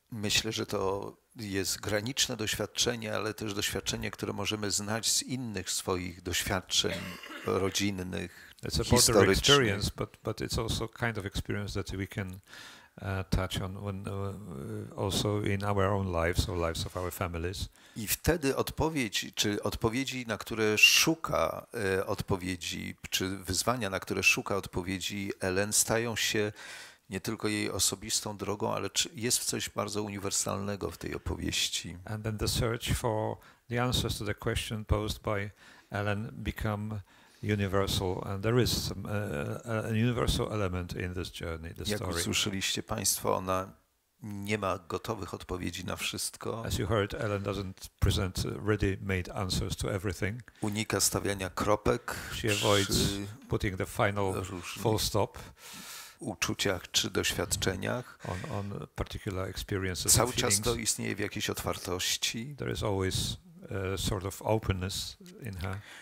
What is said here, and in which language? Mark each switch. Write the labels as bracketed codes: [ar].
[pl] Myślę, że to jest graniczne doświadczenie, ale też doświadczenie, które możemy znać z innych swoich doświadczeń rodzinnych, historycznych. [en] It's a border experience, but it's also kind of experience that we can touch on when also in our own lives or lives of our families. [pl] I wtedy odpowiedzi, na które szuka odpowiedzi, czy wyzwania, na które szuka odpowiedzi Ellen, stają się nie tylko jej osobistą drogą, ale jest w coś bardzo uniwersalnego w tej opowieści. [en] And then the search for the answers to the question posed by Ellen become universal, and there is a universal element in this journey, the story. [pl] Jak usłyszeliście państwo, ona nie ma gotowych odpowiedzi na wszystko. [en] As you heard, Ellen doesn't present ready-made answers to everything. [pl] Unika stawiania kropek. [en] She avoids putting the final full stop. [pl] Uczuciach czy doświadczeniach. [en] On particular experiences. [pl] Cały czas to istnieje w jakiejś otwartości. [en] There is always a sort of openness in her.